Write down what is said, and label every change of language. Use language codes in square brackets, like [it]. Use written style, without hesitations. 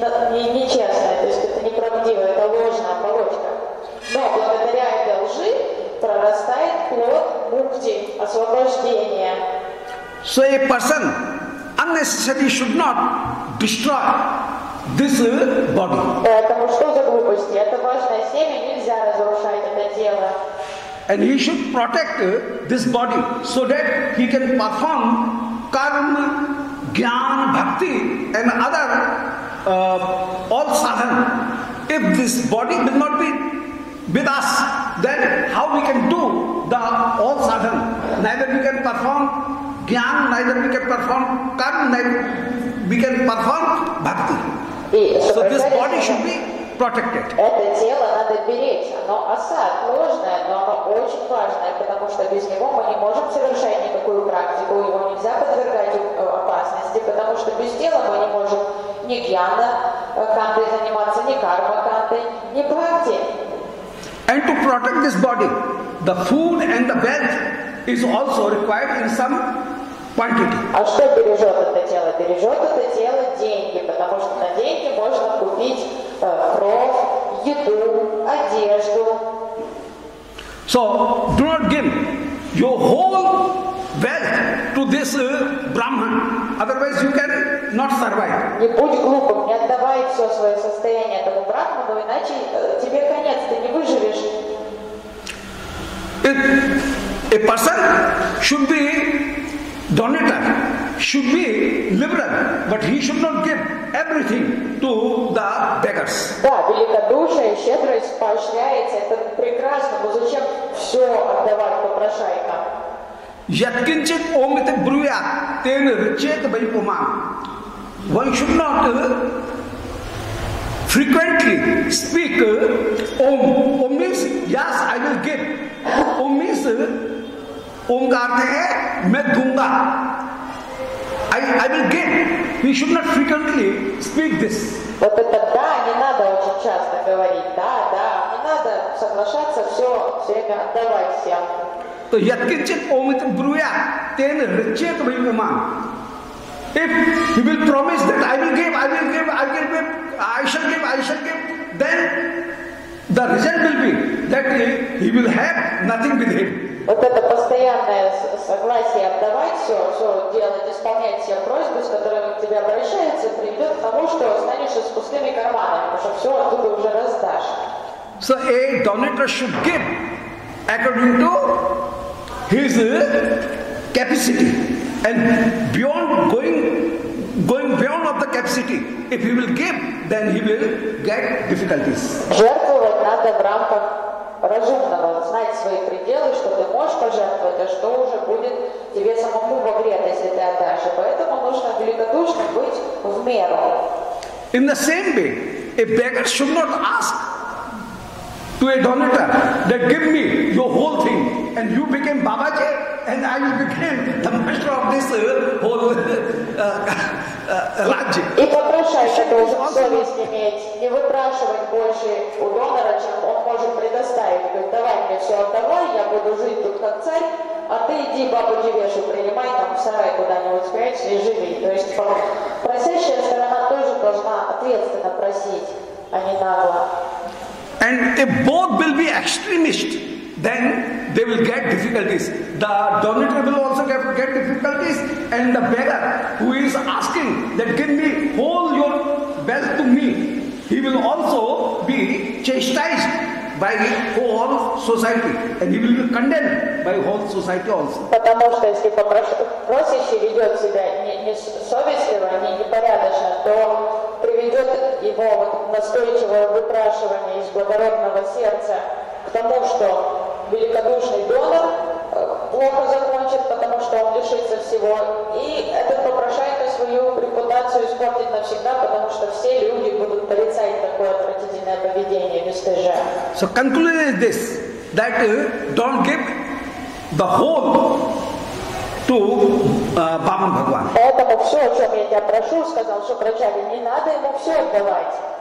[ru] Нечестное, то есть это неправдиво, это ложная оболочка. Но благодаря этой лжи прорастает плод мукти, освобождение. [en] So a person unnecessarily should not destroy this body. [ru] Поэтому что за глупости? Это важное семя, нельзя разрушать это тело. [en] And he should protect this body so that he can perform karma, jnana, bhakti and other all sadhana. If this body will not be with us, then how we can do the all sadhana? Neither we can perform jnana, neither we can perform karma, neither we can perform bhakti. So this body should be protect it. [ru] Это тело надо беречь. Оно осадложное, но оно очень важное, потому что без него мы не можем совершать никакую практику. Его нельзя подвергать опасности, потому что без тела мы не можем ни гьяна кандой заниматься, ни карма кандой, ни бхакти. [en] And to protect this body, the food and the bath is also required in some quantity. [ru] А что бережет это тело? Бережет это тело деньги, потому что на деньги можно купить кровь, еду, одежду. [en] So, do not give your whole wealth to this Brahman, otherwise you can not survive. [ru] Не будь глупым, не отдавай все свое состояние этому Брахману, иначе тебе конец, ты не выживешь. [en] If a person should be donator, should be liberal, but he should not give everything to the beggars. [ru] Да, великодушие и щедрость поощряется, это прекрасно, но зачем все отдавать попрошайкам? [sa] Yatkinchit omit bruya ten richet vaipuma. [en] One should not frequently speak om. Om means yes, I will give. Om means [hi] om ka artha hai main dunga. [en] I will give. We should not frequently speak this. [ru] Вот это да, не надо очень часто говорить. Да, да, не надо соглашаться все время отдавать всем. [sa] То яткинчит омит бруя тен ричет вайпума. [en] If you will promise that I shall give, then the result will be that he will have nothing with him. [ru] Вот это постоянное согласие отдавать все, все делать, исполнять все просьбы, с которыми к тебе обращаются, приведет к тому, что останешься с пустыми карманами, потому что все оттуда уже раздашь. [en] So a donator should give according to his capacity. And going beyond of the capacity, if he will give, then he will get difficulties. [ru] Жертвовать надо в рамках разумного, знать свои пределы, что ты можешь пожертвовать, а что уже будет тебе самому во вред, если ты отдашь. Поэтому нужно великодушно быть в меру. [en] In the same way, a beggar should not ask to a donator that give me your whole thing and you became Babaji and I will become the master of this whole Rajya. [ru] И попрошайся, ты уже совесть иметь, не выпрашивать больше у донора, чем он может предоставить. Говорит, давай мне все отдавай, я буду жить тут как царь, а ты иди Бабаджи вешу принимай, там в сарай куда-нибудь спрячься и живи. То есть просящая сторона тоже должна ответственно просить, а не нагло. [en] And if both will be extremist, then they will get difficulties. The donator will also get difficulties, and the beggar who is asking that give me whole your wealth to me, he will also be chastised by whole society, and he will be condemned by whole society also. [ru] Потому что если просящий ведет себя несовестливо, непорядочно, то приведет его настойчивое выпрашивание из благородного сердца к тому, что великодушный донор плохо закончит, потому что он лишится всего, и этот попрошайка свою репутацию испортит навсегда, потому что все люди будут порицать такое отвратительное поведение бесстыжа. [en] So conclusion is this, that don't give the whole to Brahman Bhagwan. [ru] Поэтому все, о чем я тебя прошу, сказал Шукрачарья, не надо ему все отдавать.